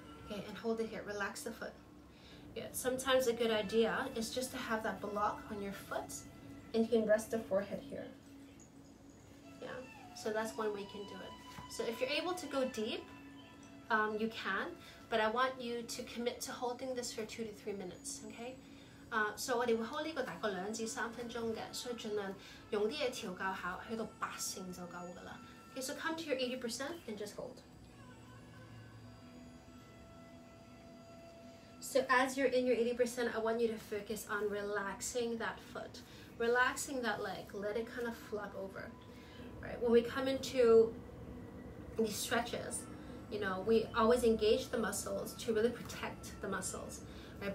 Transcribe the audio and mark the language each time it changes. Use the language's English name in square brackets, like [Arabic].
[English] Okay, and hold it here, relax the foot. Good. Sometimes a good idea is just to have that block on your foot and you can rest the forehead here. Yeah, so that's one way you can do it. So if you're able to go deep, you can, but I want you to commit to holding this for 2 to 3 minutes, okay? [Cantonese] So 我哋會 hold 呢個大概2至3分鐘嘅，所以盡量用啲嘢調校下，去到八成就夠噶啦。 [English] Okay, so come to your 80% and just hold. So as you're in your 80%, I want you to focus on relaxing that foot, relaxing that leg, let it kind of flop over, right? When we come into these stretches, you know, we always engage the muscles to really protect the muscles, right?